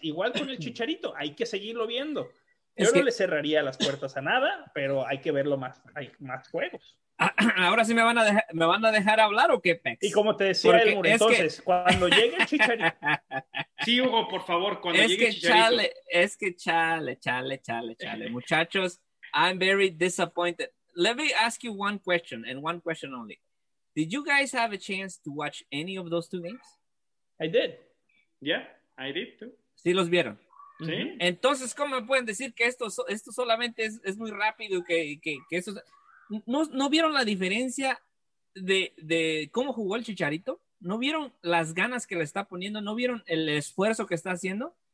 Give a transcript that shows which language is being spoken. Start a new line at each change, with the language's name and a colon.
Spanish: Igual con el Chicharito, hay que seguirlo viendo. Yo no le cerraría las puertas a nada, pero hay que verlo más, hay más juegos. Ahora sí me van a dejar hablar o qué, Pex. Y como te decía, porque Elmur, entonces, cuando llegue el Chicharito. Sí, Hugo, por favor, cuando llegue el Chicharito. Es que chale, muchachos,
English: I'm very disappointed. let me ask you one question and one question only. Did you guys have a chance to watch any of those two games? I did. Yeah, I did too.
Spanish: Sí, los vieron. Sí. Entonces, ¿cómo me pueden decir que esto solamente es muy rápido? Que eso, ¿no vieron la diferencia de cómo jugó el Chicharito? ¿No vieron las ganas que le está poniendo? ¿No vieron el esfuerzo que está haciendo?